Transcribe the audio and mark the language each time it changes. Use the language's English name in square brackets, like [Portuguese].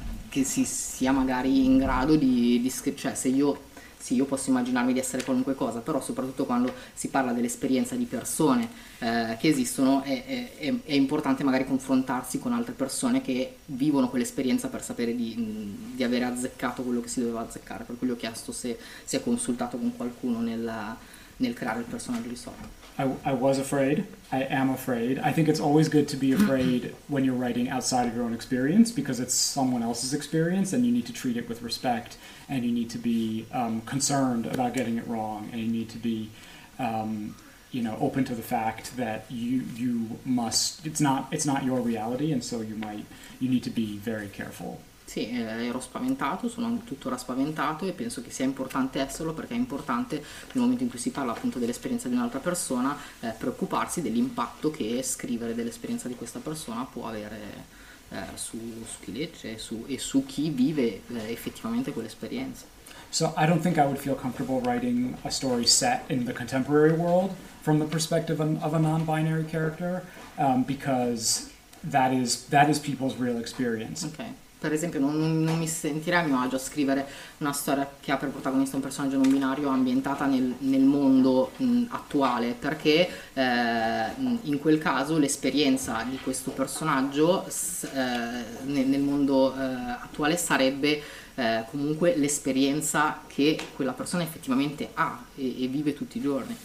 [Italian] si sia magari in grado di scrivere, cioè se io sì, io posso immaginarmi di essere qualunque cosa, però soprattutto quando si parla dell'esperienza di persone che esistono è importante magari confrontarsi con altre persone che vivono quell'esperienza per sapere di avere azzeccato quello che si doveva azzeccare, per cui gli ho chiesto se si è consultato con qualcuno nel creare il personaggio di Sock. [English] I was afraid, I am afraid. I think it's always good to be afraid when you're writing outside of your own experience, because it's someone else's experience and you need to treat it with respect, and you need to be concerned about getting it wrong, and you need to be open to the fact that it's not your reality, and so you need to be very careful. [Italian] Sì, ero spaventato, sono tuttora spaventato e penso che sia importante esserlo, perché è importante nel momento in cui si parla appunto dell'esperienza di un'altra persona preoccuparsi dell'impatto che scrivere dell'esperienza di questa persona può avere su chi legge e su chi vive effettivamente quell'esperienza. [English] So I don't think I would feel comfortable writing a story set in the contemporary world from the perspective of a non-binary character because that is people's real experience. Okay. [Italian] Per esempio, non mi sentirei a mio agio a scrivere una storia che ha per protagonista un personaggio non binario ambientata nel mondo attuale, perché in quel caso l'esperienza di questo personaggio nel mondo attuale sarebbe comunque l'esperienza che quella persona effettivamente ha e vive tutti i giorni.